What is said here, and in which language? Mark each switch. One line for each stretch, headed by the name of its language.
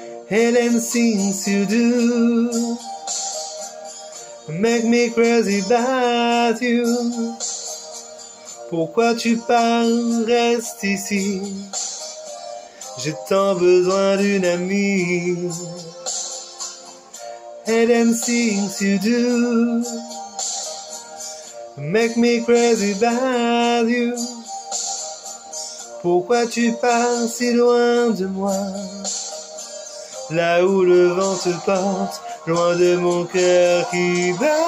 English: Hélène sings you do, make me crazy about you.
French: Pourquoi tu pars, reste ici. J'ai tant besoin d'une amie.
English: Hélène sings you do, make me crazy about you.
French: Pourquoi tu pars si loin de moi? Là où le vent se porte, loin de mon cœur qui bat.